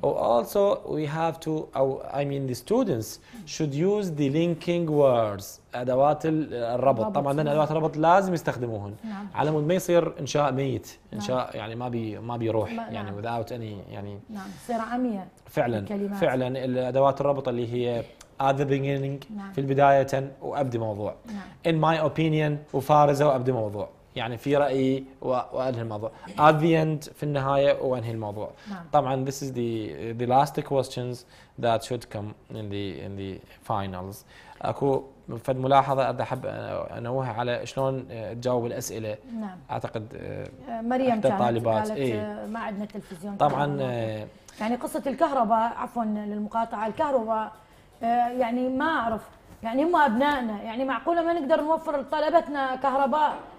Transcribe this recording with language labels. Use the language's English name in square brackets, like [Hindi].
[English] Also we have to the students should use the linking words، [Arabic] أدوات الربط طبعا أدوات الربط لازم يستخدموهن على مود ما يصير إنشاء ميت، إنشاء يعني ما بيروح يعني [English] without any [Arabic] يعني صير عامية فعلا الكلمات. فعلا الأدوات الربط اللي هي [English] at the beginning [Arabic] في البداية وأبدي موضوع [English] in my opinion [Arabic] وفارزة وأبدي موضوع، يعني في رأيي وأنهي الموضوع [English] at the end [Arabic] في النهاية وأنهي الموضوع. طبعا [English] this is the last questions that should come in the finals. [Arabic] أكو فد ملاحظة أريد أحب أنوه على شلون تجاوب الأسئلة. أعتقد مريم كانت طالبات قالت ما عندنا تلفزيون طبعا يعني قصة الكهرباء، عفوا للمقاطعة، الكهرباء يعني ما اعرف يعني هم ابنائنا، يعني معقوله ما نقدر نوفر لطلبتنا كهرباء